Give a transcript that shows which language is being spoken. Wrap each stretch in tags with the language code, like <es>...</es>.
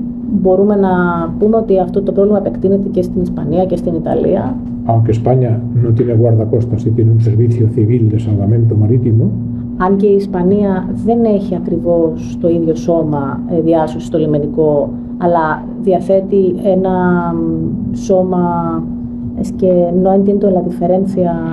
<el>Μπορούμε να πούμε ότι αυτό το πρόβλημα επεκτείνεται και στην Ισπανία και στην Ιταλία.</el> <es>Aunque España no tiene guardacostas y tiene un servicio civil de salvamento marítimo.</es> <el>Αν και η Ισπανία δεν έχει ακριβώς το ίδιο σώμα διάσωσης στο λιμενικό, αλλά διαθέτει ένα σώμα</el> <es>es que no entiendo la diferencia</es>